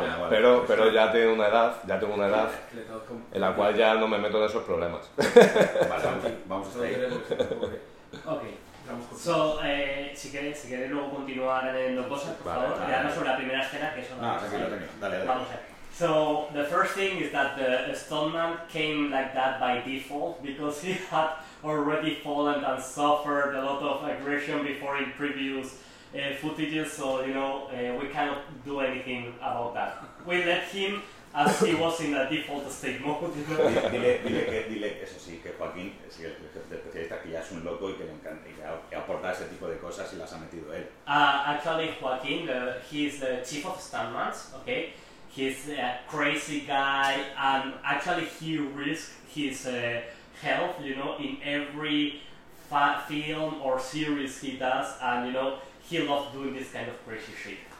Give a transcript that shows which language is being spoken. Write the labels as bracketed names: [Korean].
[Spanish] Pero ya tiene una edad, ya tengo una edad en la cual ya no me meto en esos problemas. Vale, vamos a ver. [English] Ok. [Spanish] So, si quieres luego continuar en los bosses, por favor, quedarnos sobre la primera escena, que eso no, tranquilo. Dale. Vamos a ver. [English] So the first thing is that the stone man came like that by default because he had already fallen and suffered a lot of aggression before in previous footages. So you know, we cannot do anything about that. We let him as he was in a default state mode. [Spanish] dile que eso sí, que Joaquín es el especialista, que ya es un loco y que le encanta y que aporta ese tipo de cosas y las ha metido él. [English] Actually, Joaquín, he's the chief of stuntmans, okay? He's a crazy guy, and actually he risks his health, you know, in every film or series he does, and you know, he loves doing this kind of crazy shit.